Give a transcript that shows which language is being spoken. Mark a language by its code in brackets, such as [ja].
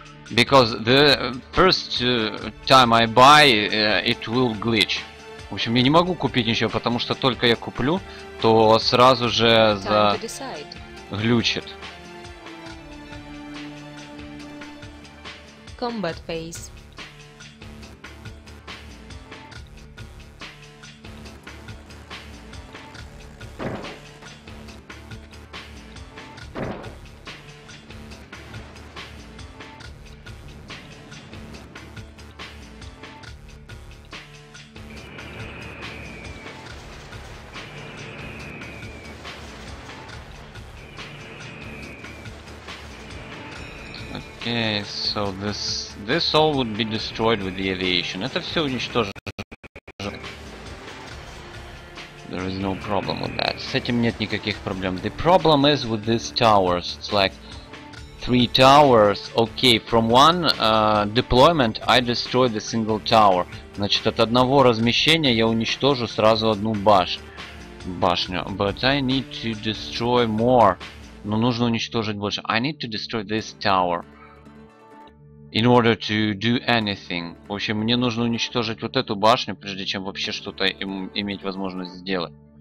[en] Because the first time I buy, it will glitch. [ru] В общем, я не могу купить ничего, потому что только я куплю, то сразу же заглючит. [en] Combat phase. So this all would be destroyed with the aviation. [ru] Это все уничтожено. [en] There is no problem with that. [ru] С этим нет никаких проблем. [en] The problem is with these towers. It's like three towers. Okay, from one deployment I destroy the single tower. [ru] Значит, от одного размещения я уничтожу сразу одну башню. [en] But I need to destroy more. [ru] Но нужно уничтожить больше. [en] I need to destroy this tower. In order to do anything. [ru] В общем, мне нужно уничтожить вот эту башню, прежде чем вообще что-то иметь возможность сделать.